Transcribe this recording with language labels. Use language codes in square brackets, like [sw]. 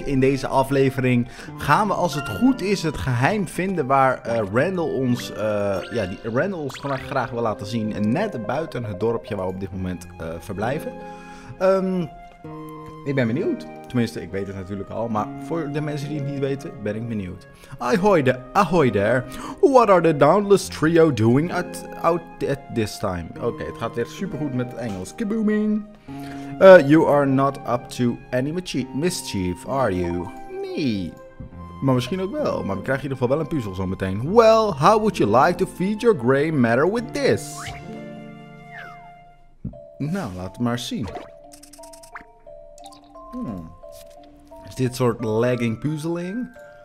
[nl] In deze aflevering gaan we, als het goed is, het geheim vinden waar Randall ons vandaag graag wil laten zien. En net buiten het dorpje waar we op dit moment verblijven. Ik ben benieuwd. Tenminste, ik weet het natuurlijk al, maar voor de mensen die het niet weten, ben ik benieuwd. [en] Ahoy there. What are the Dauntless Trio doing out at this time? [nl] Oké, het gaat weer supergoed met het Engels. [en] Kabooming. You are not up to any mischief, are you? [nl] Nee. Maar misschien ook wel, maar we krijgen in ieder geval wel een puzzel zo meteen. [en] Well, how would you like to feed your gray matter with this? [nl] Nou, laat het maar zien. Is dit soort lagging puzzeling?